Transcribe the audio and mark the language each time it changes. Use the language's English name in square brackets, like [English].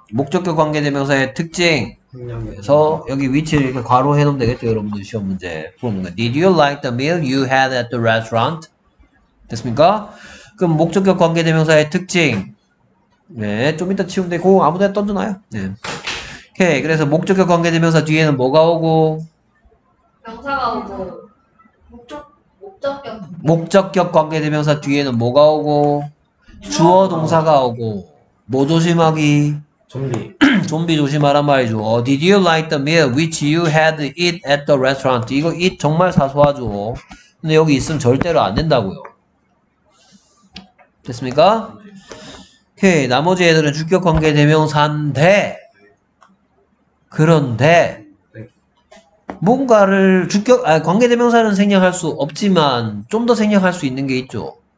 [Korean] 목적격 관계대명사의 특징. 그래서 여기 위치를 이렇게 괄호 해놓으면 되겠죠. 여러분들 시험 문제 보는 거. [English] Did you like the meal you had at the restaurant? [Korean] 됐습니까? 그럼 목적격 관계대명사의 특징. 네, 좀 이따 치우면 되고 아무데나 던져놔요. 네. 오케이. 그래서 목적격 관계대명사 뒤에는 뭐가 오고? 명사가 오고. 목적격 관계대명사 뒤에는 뭐가 오고? 주어 동사가 오고. 뭐 조심하기? 좀비. 좀비 조심하란 말이죠. [English] Did you like the meal which you had it at the restaurant? [Korean] 이거 it 정말 사소하죠. 근데 여기 있으면 절대로 안 된다고요. 됐습니까? 오케이. 나머지 애들은 주격관계 대명사인데 그런데 뭔가를 주격 아니 관계 대명사는 생략할 수 없지만 좀 더 생략할 수 있는 게 있죠.